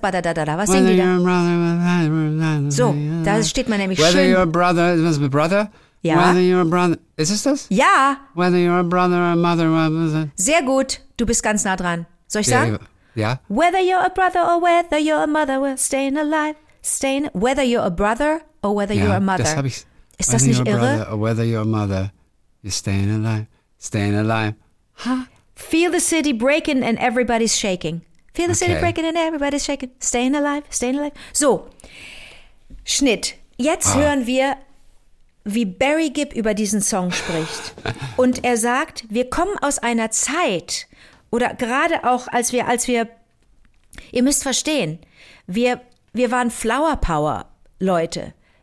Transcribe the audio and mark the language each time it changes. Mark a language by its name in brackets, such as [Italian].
[German] Was singen die da? So, da steht man nämlich [English] whether [German] schön. [English] Whether your brother, was it brother? [German] Ja. [English] Whether you're a brother. [German] Ist es das? Ja. [English] Whether you're a brother or a mother or a mother. [German] Sehr gut. Du bist ganz nah dran. Soll ich sagen? Ja. [English] Whether you're a brother or whether you're a mother, we're staying alive. Staying. Whether you're a brother or whether you're a mother. [German] Das habe ich. Ist das nicht irre? [English] Whether you're a brother or whether you're a mother, you're staying alive. Staying alive. Ha. Feel the city breaking and everybody's shaking. Feel the city breaking and everybody's shaking. Staying alive, staying alive. [German] So, Schnitt. Jetzt hören wir, wie Barry Gibb über diesen Song spricht. Und er sagt, wir kommen aus einer Zeit, oder gerade auch als wir, ihr müsst verstehen, wir waren Flower Power Leute.